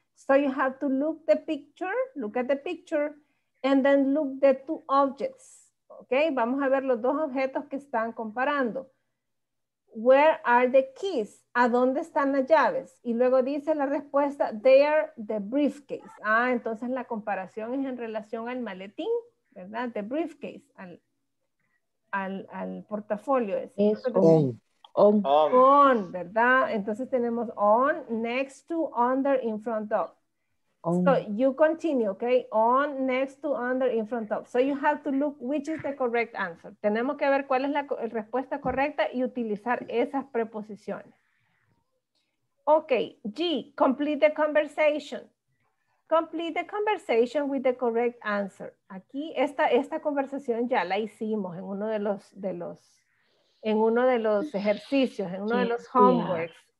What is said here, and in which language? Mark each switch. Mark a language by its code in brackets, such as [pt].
[en] So you have to look the picture, look at the picture. And then look the two objects, okay? [es] Vamos a ver los dos objetos que están comparando. [en] Where are the keys? [es] ¿A dónde están las llaves? Y luego dice la respuesta, [en] they are the briefcase. [es] Ah, entonces la comparación es en relación al maletín, ¿verdad? The briefcase, al portafolio. Es on. On, ¿verdad? Entonces tenemos on, next to, under, in front of. [en] So you continue, okay? On, next to, under, in front of. So you have to look which is the correct answer. [es] Tenemos que ver cuál es la respuesta correcta y utilizar esas preposiciones. [en] Okay, G, complete the conversation. Complete the conversation with the correct answer. [es] Aquí esta conversación ya la hicimos en uno de los ejercicios, en uno de los homeworks.